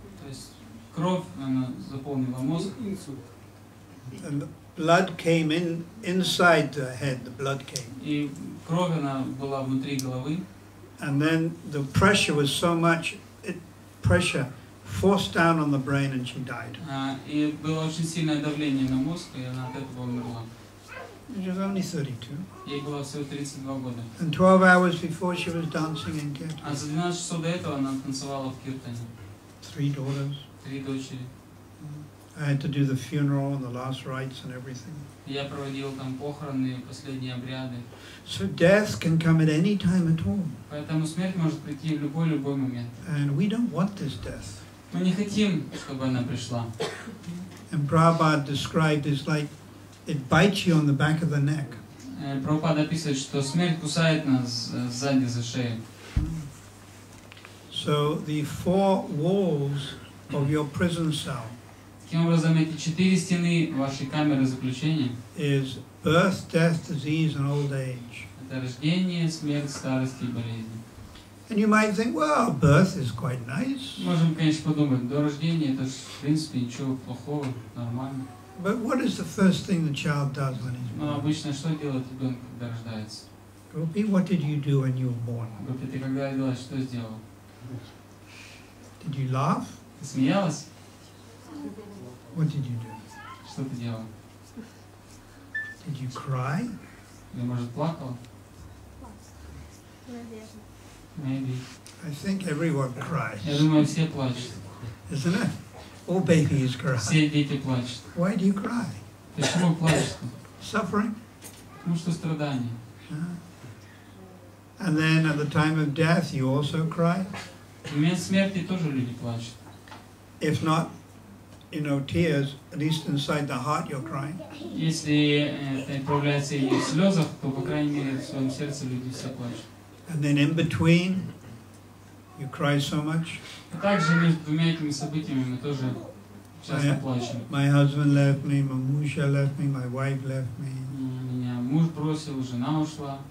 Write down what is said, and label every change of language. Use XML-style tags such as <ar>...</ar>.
<ru>То есть кровь она заполнила мозг.</ru> <en>Blood came inside the head, the blood came.</en> <ru>И кровь она была внутри головы.</ru> <en>And then the pressure was so much, pressure forced down on the brain and she died.</en> <ru>И было очень сильное давление на мозг, и она от этого умерла.</ru> <en>She was only 32.</en> <ru>Ей было всего 32 года.</ru> <en>And 12 hours before she was dancing in Kirtan.</en> <ru>А за 12 часов до этого она танцевала в Киртане.</ru> <en>Three daughters.</en> <ru>Три дочери.</ru> <en>I had to do the funeral and the last rites and everything.</en> <ru>Я проводил там похороны, последние обряды.</ru> <en>So death can come at any time at all.</en> <ru>Поэтому смерть может прийти в любой момент.</ru> <en>And we don't want this death.</en> <ru>Мы не хотим, чтобы она пришла.</ru> <en>And Prabhupada described it as like it bites you on the back of the neck.</en> <ru>Прабхупада описывает, что смерть кусает нас сзади за шею.</ru> <en>So the four walls of your prison cell.</en> <ru>Таким образом, эти четыре стены вашей камеры заключения</ru> <en>is birth, death, disease, and old age.</en> <ru>Это рождение, смерть, старость и болезнь.</ru> <en>And you might think, well, birth is quite nice.</en> <ru>Можем, конечно, подумать, до рождения это в принципе ничего плохого, нормально.</ru> <en>But what is the first thing the child does when he's born?</en> <ru>Ну, обычно что делает ребенок, когда рождается?</ru> <en>Gopi, what did you do when you were born?</en> <ru>Gopi, ты когда родилась, что сделал?</ru> <en>Did you laugh?</en> <ru>Ты смеялась?</ru> <en>What did you do?</en> <ru>Что ты делал?</ru> <en>Did you cry?</en> <ru>Я, может, плакал?</ru> <en>Maybe. I think everyone cries.</en> <ru>Я думаю, все плачут.</ru> <en>Isn't it? All babies cry.</en> <ru>Все дети плачут.</ru> <en>Why do you cry?</en> <ru>Почему плачешь?</ru> <en>Suffering?</en> <ru>Потому что страдание.</ru> <en>And then at the time of death you also cry?</en> <ru>В момент смерти тоже люди плачут.</ru> <en>If not, you know, tears, at least inside the heart you're crying.</en> <ru>Если это проявляется и в слезах, то, по крайней мере, в своем сердце люди все плачут.</ru> <en>And then in between, you cry so much.</en> <ru>А также между двумя этими событиями мы тоже часто плачем.</ru> <en>My husband left me, my муж left me, my wife left me.</en> <ru>Меня муж бросил, жена ушла.</ru>